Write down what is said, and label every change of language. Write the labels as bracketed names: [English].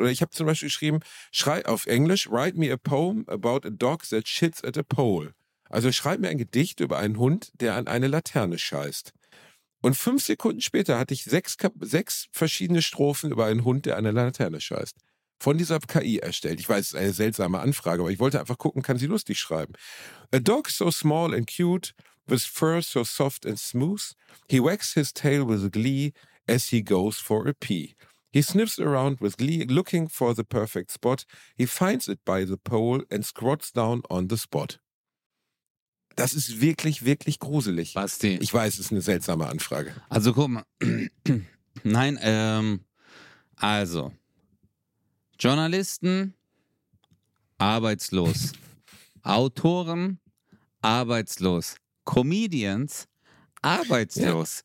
[German] Oder ich habe zum Beispiel geschrieben, schrei auf Englisch, [English] write me a poem about a dog that shits at a pole. [German] Also schreib mir ein Gedicht über einen Hund, der an eine Laterne scheißt. Und 5 Sekunden später hatte ich 6 verschiedene Strophen über einen Hund, der an eine Laterne scheißt. Von dieser KI erstellt. Ich weiß, es ist eine seltsame Anfrage, aber ich wollte einfach gucken, kann sie lustig schreiben. [English] A dog so small and cute, with fur so soft and smooth, he wags his tail with glee as he goes for a pee. He sniffs around with glee, looking for the perfect spot. He finds it by the pole and squats down on the spot. [German] Das ist wirklich, wirklich gruselig. Basti. Ich weiß, es ist eine seltsame Anfrage. Also guck mal. Nein, also. Journalisten, arbeitslos. Autoren, arbeitslos. Comedians, arbeitslos.